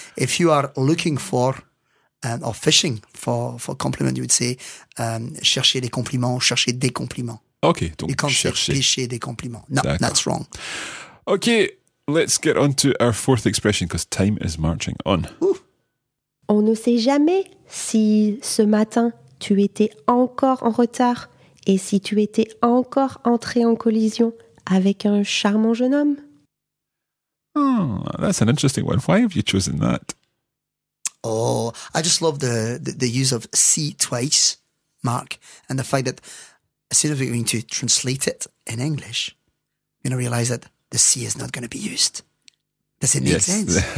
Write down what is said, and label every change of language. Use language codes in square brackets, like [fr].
[en] If you are looking for or fishing for compliment, you would say [fr] chercher les compliments, chercher des compliments. Okay, donc [en] you can't [fr] chercher. [en] Say [fr] pêcher des compliments. [en] No, [fr] d'accord. [en] That's wrong. Okay, let's get on to our fourth expression because time is marching on. Ooh. [fr] On ne sait jamais si ce matin tu étais encore en retard et si tu étais encore entré en collision avec un charmant jeune homme. [en] Oh, that's an interesting one. Why have you chosen that? Oh, I just love the use of see twice, Mark, and the fact that as soon as we're going to translate it in English, you're going to realize that the see is not going to be used. Does it make sense?